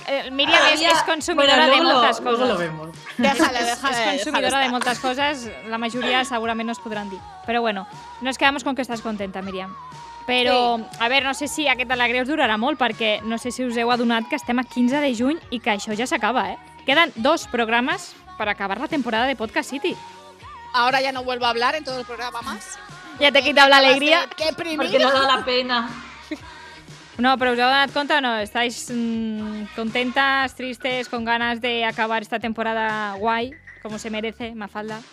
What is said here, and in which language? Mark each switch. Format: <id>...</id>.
<es>Miriam es consumidora de muchas cosas. Luego lo vemos. Déjale, es consumidora de muchas cosas. La mayoría seguramente nos podrán decir. Pero bueno, nos quedamos con que estás contenta, Miriam.</es> <ca>Però, sí. A veure, no sé si aquest alegre us durarà molt, perquè no sé si us heu adonat que estem a 15 de juny i que això ja s'acaba, eh? Queden dos programes per acabar la temporada de Podcast City.</ca> <es>Ahora ya no vuelvo a hablar en todo el programa más.</es> <ca>Ja t'he quitat l'alegria.</ca> <es>Qué primido. Porque no da la pena.</es> <ca>No, però us heu adonat compte o no?</ca> <es>Estáis contentes, tristes, con ganas de acabar esta temporada guay, como se merece, Mafalda?</es>